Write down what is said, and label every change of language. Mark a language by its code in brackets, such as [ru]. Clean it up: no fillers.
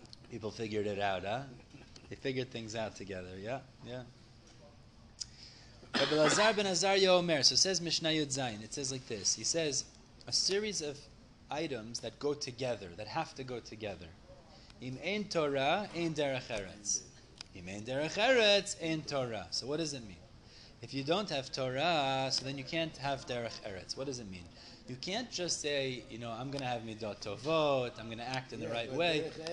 [en] People figured it out, huh? They figured things out together, yeah? Rabbi Elazar ben Azarya Omer, so it says Mishnah Yud Zayin, it says like this. He says, a series of items that go together, that have to go together. [he] Im ein Torah, ein derech eretz. Im ein derech eretz, ein Torah. [en] So what does it mean? If you don't have Torah, so then you can't have derech eretz. What does it mean? You can't just say, you know, I'm going to have midot tovot, I'm going to act in the right way.